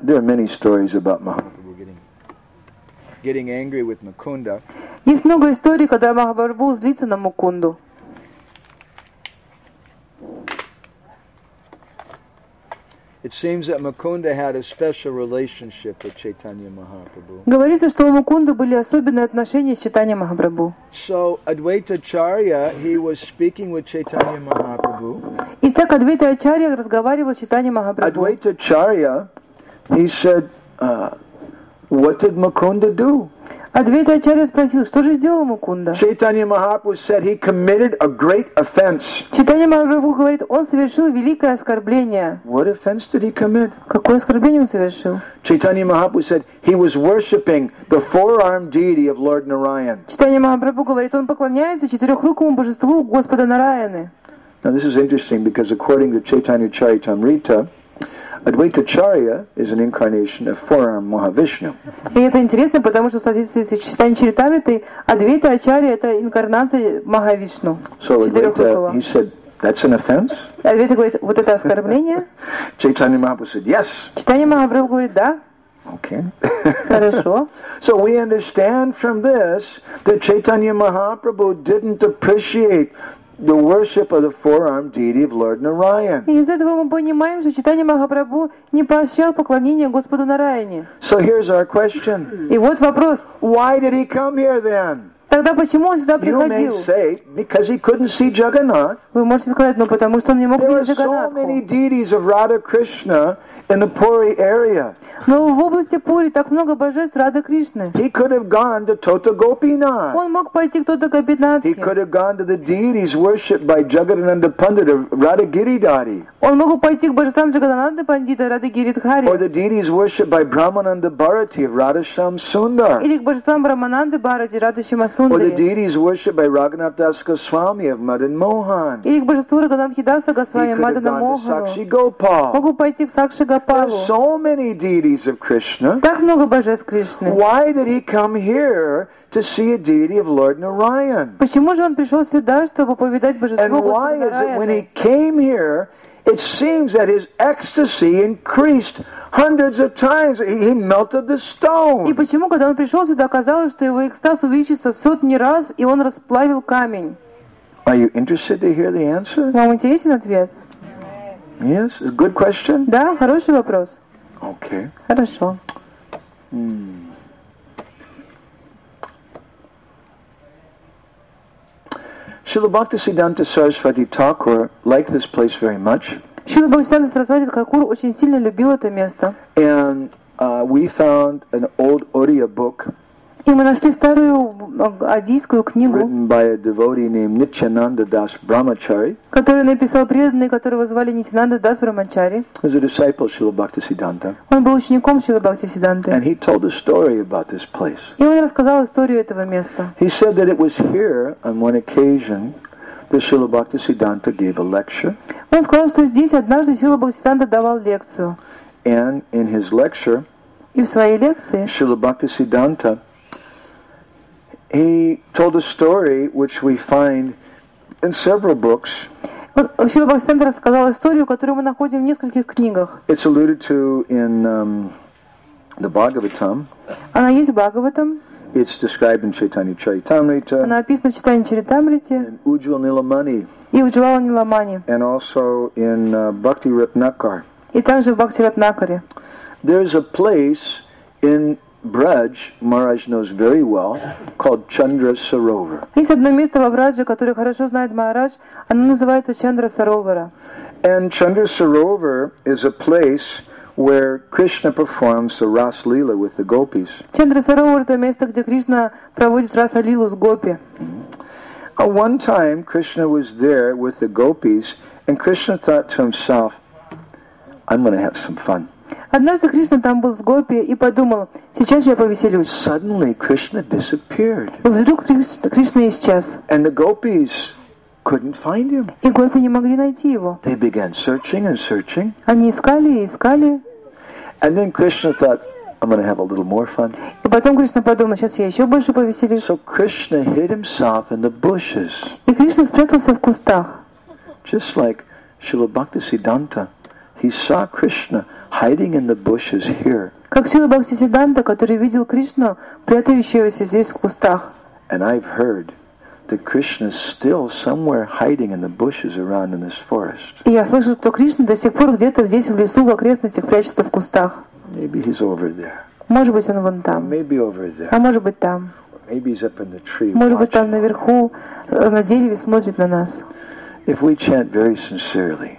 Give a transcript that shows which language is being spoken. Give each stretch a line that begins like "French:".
English: There are many stories about Mahaprabhu getting angry with Mukunda.
Russian: Есть много историй, когда Махапрабху злится на Мукунду.
English: It seems that Mukunda had a special relationship with Chaitanya Mahaprabhu.
Russian: Говорится, что у Мукунды были особенные отношения с Чайтанья Махапрабху.
English: So Advaita Acharya, he was speaking with Chaitanya Mahaprabhu.
Russian: Итак, Адвайта Ачарья разговаривал с Чайтанья Махапрабху.
English: Advaita Acharya, he said, what did Mukunda do?
Russian: Адвайта Ачарья спросил, что же сделал Мукунда?
English: Chaitanya Mahaprabhu said he committed a great offense.
Russian: Чайтанья Махапрабху говорит, он совершил великое оскорбление.
English: What offense did he commit?
Russian: Какое оскорбление он совершил?
English: Chaitanya Mahaprabhu said he was worshipping the four-armed deity of Lord Narayan.
Russian: Чайтанья Махапрабху говорит, он поклоняется четырехрукому божеству Господа Нараяны.
English: Now this is interesting because according to Chaitanya Charitamrita, Advaita Acharya is an incarnation of four-armed Mahavishnu.
Russian: И это интересно, потому что в соответствии с Чайтанья Чаритамритой, Адвайта Ачарья — это инкарнация Махавишну.
English: So Advaita, he said, that's an offense?
Russian: Адвайта говорит, вот это оскорбление?
English: Chaitanya Mahaprabhu said, yes.
Russian: Чайтанья Махапрабху говорит, да.
English: Okay.
Russian: Хорошо.
English: So we understand from this that Chaitanya Mahaprabhu didn't appreciate the worship of the four-armed deity of Lord Narayan.
Russian: Из этого мы понимаем, что Чайтанья Махапрабху не поощрял поклонение Господу Нараяне.
English: So here's our question.
Russian: И вот вопрос.
English: Why did he come here then?
Russian: Тогда почему он сюда приходил?
English: You may say, because he couldn't see Jagannath.
Russian: Вы можете сказать, ну потому что он не мог видеть Джаганатху.
English: There are so many deities of Radha Krishna in the Puri area.
Russian: Но в области Пури так много божеств Радха Кришны.
English: He could have gone to Tota Gopinath.
Russian: Он мог пойти к Тота Гопинатхе.
English: He could have gone to the deities worshipped by Jagannanda Pandita, Radha Giridhari.
Russian: Он мог пойти к божествам Джагананды Пандита, Радха Гиридхари.
English: Or the deities worshipped by Brahmananda Bharati, Radhasham Sundar.
Russian: Или к божествам Брамананды Бхарати, Радхашьяма
English: Sundari. Or the deities worshipped by Raghunath Das Goswami of Madan Mohan.
Russian: Или к божеству Раганатхи Даса Госвами Мадана Мохану. Могу пойти к Сакши Гопалу.
English: There are so many deities of Krishna.
Russian: Так много божеств Кришны.
English: Why did he come here to see a deity of Lord Narayan?
Russian: Почему же он пришел сюда, чтобы повидать божество Господа Нараяна?
English: And why is it when he came here, it seems that his ecstasy increased hundreds of times? He melted the stone.
Russian: И почему, когда он пришел сюда, казалось, что его экстаз увеличился в сотни раз, и он расплавил камень?
English: Are you interested to hear the answer?
Russian: Вам интересен ответ?
English: Yes, it's a good question.
Russian: Да, хороший вопрос.
English: Okay.
Russian: Хорошо.
English: Srila Bhaktisiddhanta Sarasvati Thakur liked this place very much.
Russian: Шрила Бхактисиддханта Сарасвати Такур очень сильно любил это место.
English: And we found an old Odia book.
Russian: И мы нашли старую одийскую книгу.
English: Written by a devotee named Nityananda Das Brahmachari.
Russian: Которую написал преданный, которого звали Нитянанда Дас Брамачари.
English: He was a disciple of Srila Bhaktisiddhanta.
Russian: Он был учеником Шрилы Бхактисиддханты.
English: And he told a story about this place.
Russian: И он рассказал историю этого места.
English: He said that it was here on one occasion that Srila Bhaktisiddhanta gave a lecture.
Russian: Он сказал, что здесь однажды Шрила Бхактисиддханта давал лекцию.
English: And in his lecture,
Russian: и в своей лекции,
English: Srila Bhaktisiddhanta, he told a story which we find in several books.
Russian: Шрила Бхактисиддханта рассказал историю, которую мы находим в нескольких книгах.
English: It's alluded to in the Bhagavatam.
Russian: Она есть в Бхагаватам.
English: It's described in Chaitanya Charitamrita.
Russian: Она описана в Чайтанья Чаритамрите.
English: In Ujjvala Nilamani.
Russian: И в Ujjvala Nilamani.
English: And also in Bhakti Ratnakar.
Russian: И также в Бхакти Ратнакаре.
English: There is a place in Braj, Maharaj knows very well, called Chandra Sarovar.
Russian: Есть одно место во Брадже, которое хорошо знает Maharaj. Оно называется Chandra Sarovara.
English: And Chandra Sarovar is a place where Krishna performs the Rasa Lila with the gopis.
Russian: Chandra Sarovar — это место, где Кришна проводит Раса Лилу с гопи.
English: One time Krishna was there with the gopis, and Krishna thought to himself, "I'm going to have some fun."
Russian: Однажды Кришна там был с гопи и подумал: сейчас я повеселюсь.
English: Suddenly Krishna disappeared.
Russian: Вдруг Кришна исчез.
English: And the gopis couldn't find him.
Russian: И гопи не могли найти его.
English: They began searching and searching.
Russian: Они искали и искали.
English: And then Krishna thought, I'm going to have a little more fun.
Russian: И потом Кришна подумал: сейчас я еще больше повеселюсь.
English: So Krishna hid himself in the bushes.
Russian: И Кришна спрятался в кустах.
English: Just like Srila Bhaktisiddhanta, he saw Krishna hiding in the bushes here.
Russian: Как Шрила Бхактисиддханта, который видел Кришну, прятающегося здесь в кустах.
English: And I've heard that Krishna is still somewhere hiding in the bushes around in this forest.
Russian: И я слышал, что Кришна до сих пор где-то здесь в лесу, в окрестностях прячется в кустах.
English: Maybe he's over there.
Russian: Может быть, он вон там.
English: Maybe over there.
Russian: А может быть, там.
English: Maybe he's up in the tree.
Russian: Может быть, там наверху на дереве смотрит на нас.
English: If we chant very sincerely,